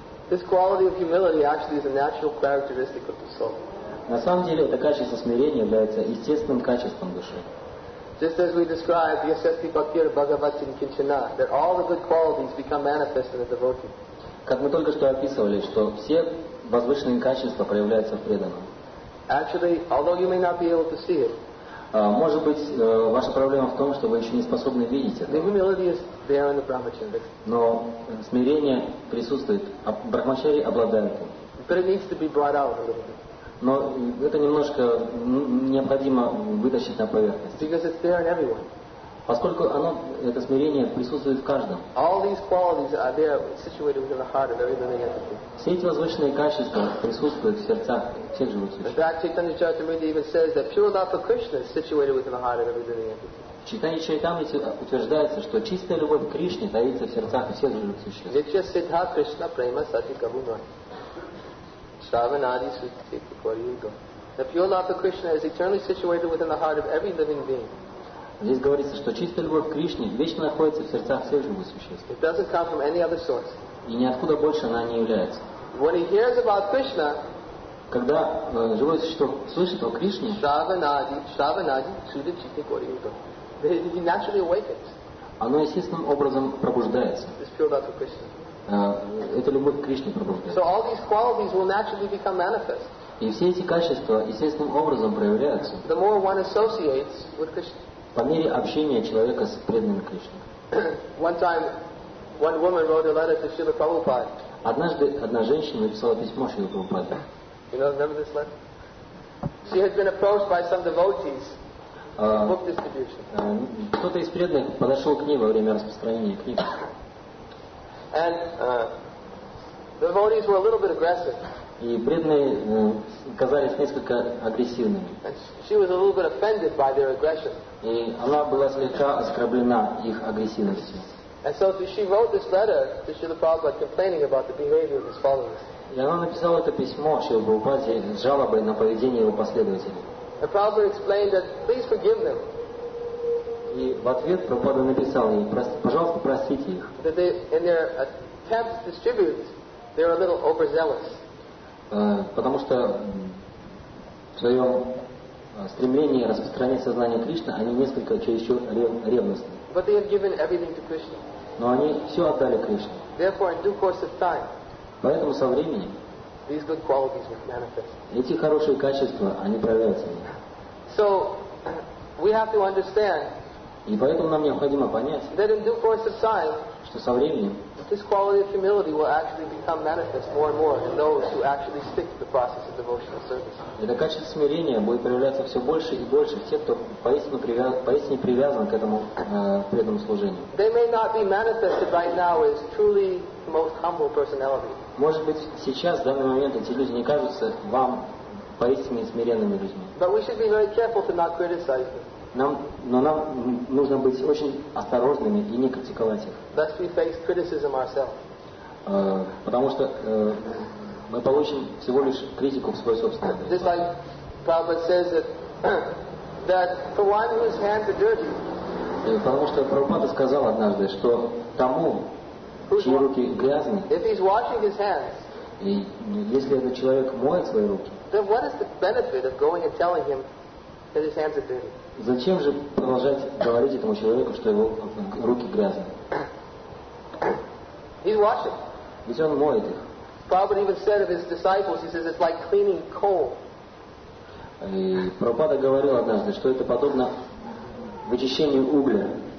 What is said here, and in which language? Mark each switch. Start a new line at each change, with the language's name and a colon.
English: This quality of humility actually is a natural characteristic of the soul.
Russian: На самом деле, это качество смирения является естественным качеством души.
English: Just as we described,
Sanskrit: Yasasthi Bhaktir Bhagavati Kinchana,
English: that all the good qualities become manifest in the devotee.
Russian: Как мы только что описывали, что все возвышенные качества проявляются в преданном.
English: Actually, although you may not be able to see it,
Russian: может быть, ваша проблема в том, что вы еще не способны видеть это.
English: The humility is there in the brahmacharis.
Russian: Но смирение присутствует, а брахмачари обладают им.
English: But it needs to be brought out a little bit.
Russian: Но это немножко необходимо вытащить на поверхность.
English: Because it's there in everyone.
Russian: Поскольку оно, это смирение присутствует в каждом.
English: All these qualities are there situated within the heart of every living entity.
Russian: Все эти возвышенные качества присутствуют в сердцах всех живых существ.
English: In fact, Chaitanya Charitamrita even says that pure love for Krishna is situated within the heart of every living entity.
Russian: В Читании Чайтамрите утверждается, что чистая любовь к Кришне таится в сердцах всех живых существ. Ведь сейчас Сиддха Кришна Према Сати Кабуна. Shravanadi Sutti Kuryuga.
English: The pure love for Krishna is eternally situated within the heart of every living being.
Russian: Здесь говорится, что чистая любовь к Кришне вечно находится в сердцах всех живых существ.
English: It doesn't come from any other source.
Russian: И ниоткуда больше она не является.
English: When he hears about Krishna,
Russian: когда живое существо слышит о Кришне,
English: he naturally awakens.
Russian: Оно естественным образом пробуждается.
English: This pure love for Krishna.
Russian: Это любовь к Кришне пробуждается.
English: So all these qualities will naturally become manifest.
Russian: И все эти качества естественным образом проявляются.
English: The more one associates with Krishna.
Russian: По мере общения человека с преданными Кришне.
English: One time, one woman wrote a letter to Srila Prabhupada.
Russian: Однажды одна женщина написала письмо Шриле Прабхупаде.
English: You know, remember this letter? She had been approached by some devotees for book distribution.
Russian: Кто-то из преданных подошел к ней во время распространения книг.
English: And the devotees were a little bit aggressive.
Russian: И преданные казались несколько агрессивными.
English: She was a little bit offended by their aggression.
Russian: И она была слегка оскорблена их агрессивностью.
English: And so she wrote this letter to Srila Prabhupada complaining about the behavior of his followers.
Russian: И она написала это письмо Шриле Прабхупаде с жалобой на поведение его последователей.
English: And Prabhupada explained that please forgive them.
Russian: И в ответ Прабхупада написал ей: пожалуйста, простите их.
English: That they, in their attempts to distribute, they were a little overzealous.
Russian: Потому что в своем стремлении распространять сознание Кришны они несколько чересчур ревностны.
English: But they have given everything to Krishna.
Russian: Но они все отдали Кришне.
English: Therefore, in due course of time,
Russian: поэтому со временем
English: these good qualities will manifest.
Russian: Эти хорошие качества они проявятся.
English: So, we have to understand
Russian: И поэтому нам необходимо понять,
English: that in due course of time,
Russian: что со временем
English: this quality of humility will actually become manifest more and more in those who actually stick to the process of devotional service.
Russian: Это качество смирения будет проявляться все больше и больше в тех, кто поистине привязан к этому преданному служению.
English: They may not be manifested right now as truly the most humble personality.
Russian: Может быть, сейчас, в данный момент, эти люди не кажутся вам поистине смиренными людьми.
English: But we should be very careful to not criticize them.
Russian: Нам нужно быть очень осторожными и не критиковать их.
English: Lest we face criticism ourselves.
Russian: Потому что мы получим всего лишь критику в свой собственный адрес.
English: Just like Prabhupada says that for one whose hands are dirty.
Russian: Потому что Прабхупада сказал однажды, что тому, чьи руки грязны,
English: if he's washing his hands,
Russian: и если этот человек моет свои руки,
English: then what is the benefit of going and telling him that his hands are dirty?
Russian: Зачем же продолжать говорить этому человеку, что его руки грязны?
English: He's washing.
Russian: Ведь он моет их.
English: Prabhupada even said of his disciples, he says it's like cleaning coal.
Russian: И Прабхупада говорил однажды, что это подобно вычищению угля.